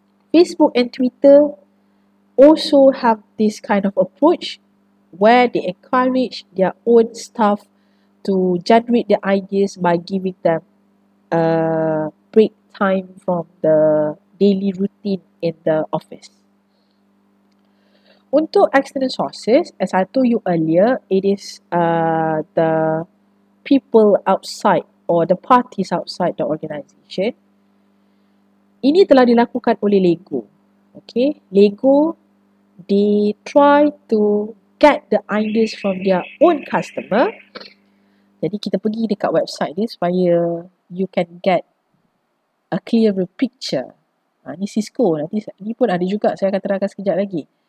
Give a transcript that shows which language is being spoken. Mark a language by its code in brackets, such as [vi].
[en] Facebook and Twitter also have this kind of approach where they encourage their own staff to generate their ideas by giving them a break time from the daily routine in the office. [ms] Untuk [en] external sources, as I told you earlier, it is the people outside or the parties outside the organisation. [ms] Ini telah dilakukan oleh Lego. [en] Okay, Lego, they try to get the ideas from their own customer. [ms] Jadi kita pergi dekat website ni supaya [en] you can get a clearer picture. [ms] Ha, ni Cisco, nanti ni pun ada juga, saya akan terangkan sekejap lagi.